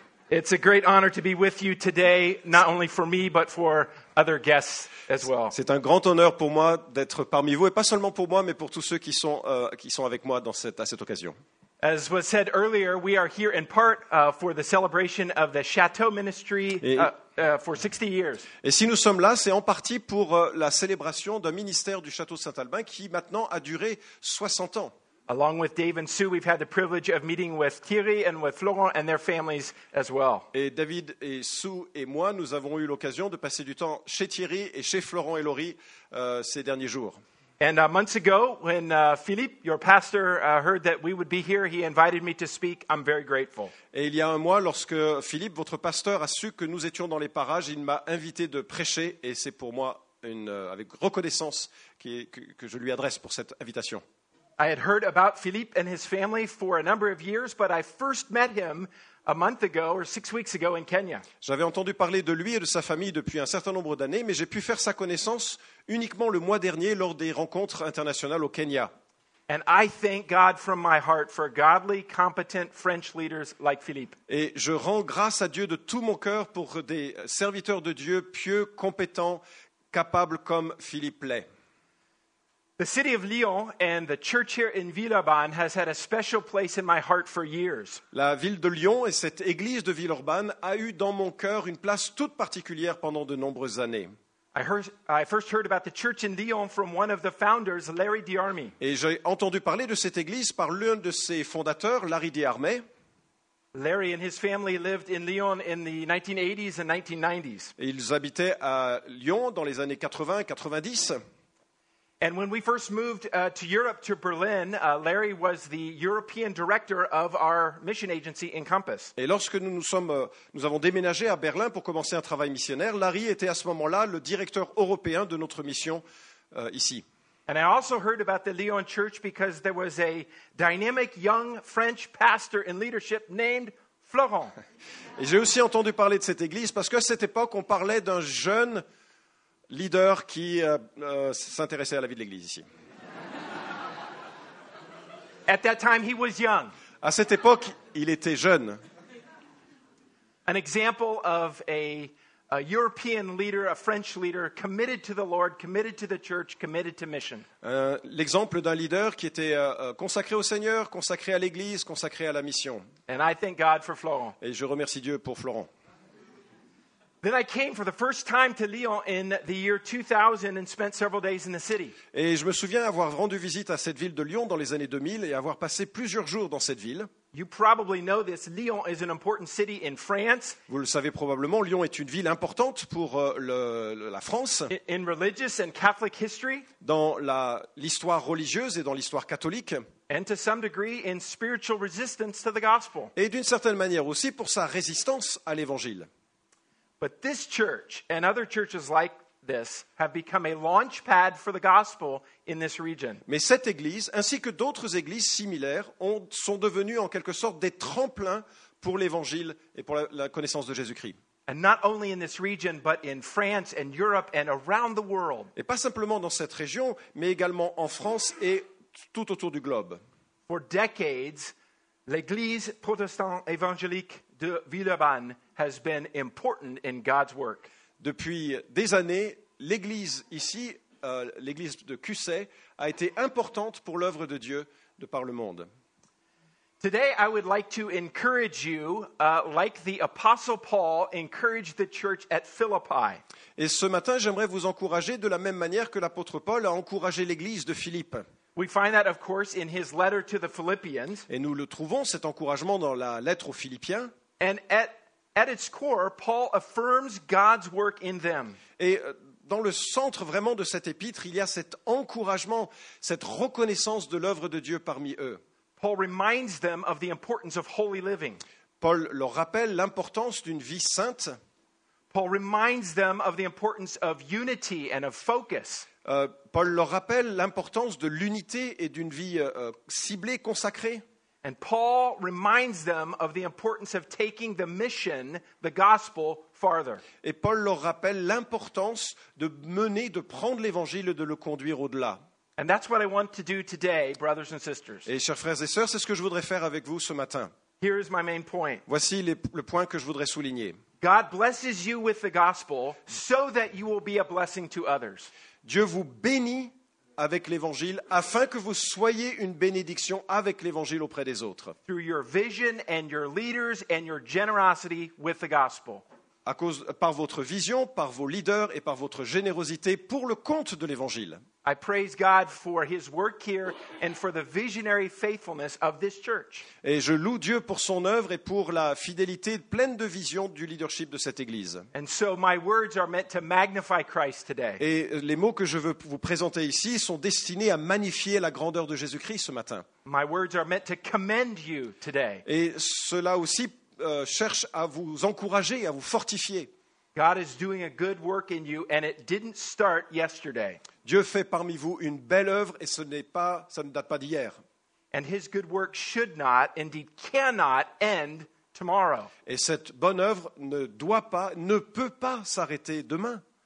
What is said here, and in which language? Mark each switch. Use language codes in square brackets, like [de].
[en] It's a great honor to be with you today, not only for me, but for other guests as well. [fr] C'est un grand honneur pour moi d'être parmi vous, et pas seulement pour moi, mais pour tous ceux qui sont avec moi à cette occasion. [en] As was said earlier, we are here in part for the celebration of the Chateau Ministry for 60 years. [fr] Et si nous sommes là, c'est en partie pour la célébration d'un ministère du Château Saint-Albin qui maintenant a duré 60 ans. [en] Along with Dave and Sue, we've had the privilege of meeting with Thierry and with Florent and their families as well. [fr] Et David et Sue et moi, nous avons eu l'occasion de passer du temps chez Thierry et chez Florent et Laurie ces derniers jours. [en] And months ago, when Philippe, your pastor, heard that we would be here, he invited me to speak. I'm very grateful. [fr] Et il y a un mois, lorsque Philippe, votre pasteur, a su que nous étions dans les parages, il m'a invité de prêcher, et c'est pour moi avec reconnaissance que je lui adresse pour cette invitation. [en] I had heard about Philippe and his family for a number of years, but I first met him a month ago or 6 weeks ago in Kenya. [fr] J'avais entendu parler de lui et de sa famille depuis un certain nombre d'années, mais j'ai pu faire sa connaissance uniquement le mois dernier lors des rencontres internationales au Kenya. [en] And I thank God from my heart for godly, competent French leaders like Philippe. [fr] Et je rends grâce à Dieu de tout mon cœur pour des serviteurs de Dieu pieux, compétents, capables comme Philippe l'est. [en] The city of Lyon and the church here in Villeurbanne has had a special place in my heart for years. [fr] La ville de Lyon et cette église de Villeurbanne a eu dans mon cœur une place toute particulière pendant de nombreuses années. [en] I first heard about the church in Lyon from one of the founders, Larry Diarmé. [fr] Et j'ai entendu parler de cette église par l'un de ses fondateurs, Larry Diarmé. [en] Larry and his family lived in Lyon in the 1980s and 1990s. [fr] Et ils habitaient à Lyon dans les années 80 et 90. [en] And when we first moved to Europe, to Berlin, Larry was the European director of our mission agency, Encompass. [fr] Et lorsque nous avons déménagé à Berlin pour commencer un travail missionnaire, Larry était à ce moment-là le directeur européen de notre mission ici. [en] And I also heard about the Lyon church because there was a dynamic young French pastor in leadership named Florent. [fr] Et j'ai aussi entendu parler de cette église parce qu'à cette époque, on parlait d'un jeune leader qui s'intéressait à la vie de l'église ici. [en] At that time, he was young. [fr] À cette époque, il était jeune. [en] An example of a European leader, a French leader, committed to the Lord, committed to the church, committed to mission. [fr] L'exemple d'un leader qui était consacré au Seigneur, consacré à l'église, consacré à la mission. [en] And I thank God for Florent. [fr] Et je remercie Dieu pour Florent. [en] Then I came for the first time to Lyon in the year 2000 and spent several days in the city. [fr] Et je me souviens avoir rendu visite à cette ville de Lyon dans les années 2000 et avoir passé plusieurs jours dans cette ville. [en] You probably know this. Lyon is an important city in France. [fr] Vous le savez probablement, Lyon est une ville importante pour la France. [en] In religious and Catholic history. [fr] Dans l'histoire religieuse et dans l'histoire catholique. [en] And to some degree in spiritual resistance to the gospel. [fr] Et d'une certaine manière aussi pour sa résistance à l'évangile. [en] But this church and other churches like this have become a launch pad for the gospel in this region. [fr] Mais cette église ainsi que d'autres églises similaires sont devenues en quelque sorte des tremplins pour l'évangile et pour la connaissance de Jésus-Christ. [en] And not only in this region but in France and Europe and around the world. [fr] Et pas simplement dans cette région mais également en France et tout autour du globe. [en] For decades, l'église protestante évangélique de Villeurbanne has been important in God's work. [fr] Depuis des années, l'église ici, l'église de Cusset, a été importante pour l'œuvre de Dieu de par le monde. [en] Today, I would like to encourage you, like the Apostle Paul encouraged the church at Philippi. [fr] Et ce matin, j'aimerais vous encourager de la même manière que l'apôtre Paul a encouragé l'église de Philippe. [en] We find that, of course, in his letter to the Philippians. [fr] Et nous le trouvons, cet encouragement, dans la lettre aux Philippiens. [en] And at its core, Paul affirms God's work in them. [fr] Et dans le centre vraiment de cette épître, il y a cet encouragement, cette reconnaissance de l'œuvre de Dieu parmi eux. [en] Paul reminds them of the importance of holy living. [fr] Paul leur rappelle l'importance d'une vie sainte. [en] Paul reminds them of the importance of unity and of focus. [fr] Paul leur rappelle l'importance de l'unité et d'une vie ciblée, consacrée. [en] And Paul reminds them of the importance of taking the mission, the gospel, farther. [fr] Et Paul leur rappelle l'importance de prendre l'évangile et de le conduire au-delà. [en] And that's what I want to do today, brothers and sisters. [fr] Et chers frères et sœurs, c'est ce que je voudrais faire avec vous ce matin. [en] Here is my main point. [fr] Voici le point que je voudrais souligner. [en] God blesses you with the gospel so that you will be a blessing to others. [fr] Dieu vous bénit avec l'évangile afin que vous soyez une bénédiction avec l'évangile auprès des autres. [en] Through your vision and your leaders and your generosity with the gospel. [fr] Par votre vision, par vos leaders et par votre générosité pour le compte de l'évangile. [en] I praise God for his work here and for the visionary faithfulness of this church. [fr] Et je loue Dieu pour son œuvre et pour la fidélité pleine de vision du leadership de cette église. [en] And so my words are meant to magnify Christ today. [fr] Et les mots que je veux vous présenter ici sont destinés à magnifier la grandeur de Jésus-Christ ce matin. [en] My words are meant to commend you today. [fr] Et cela aussi cherche à vous encourager, à vous fortifier. [en] God is doing a good work in you and it didn't start yesterday. [fr] Dieu fait parmi vous une belle œuvre et ça ne date pas d'hier. [en] And his good work should not, indeed cannot, end tomorrow. [fr] Et cette bonne œuvre ne doit pas, ne peut pas s'arrêter demain.